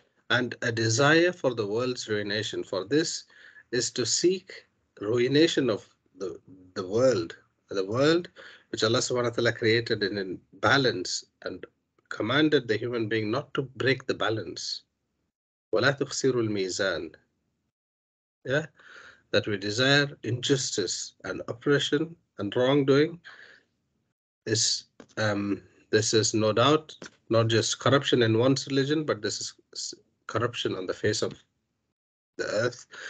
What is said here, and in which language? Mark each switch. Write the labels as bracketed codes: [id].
[en] And a desire for the world's ruination. For this is to seek ruination of the world. The world which Allah subhanahu wa ta'ala created in balance and commanded the human being not to break the balance. [ar] وَلَا تُخْسِرُ الْمِيزَانِ. Yeah? [en] That we desire injustice and oppression and wrongdoing. This is no doubt not just corruption in one's religion, but this is corruption on the face of the earth.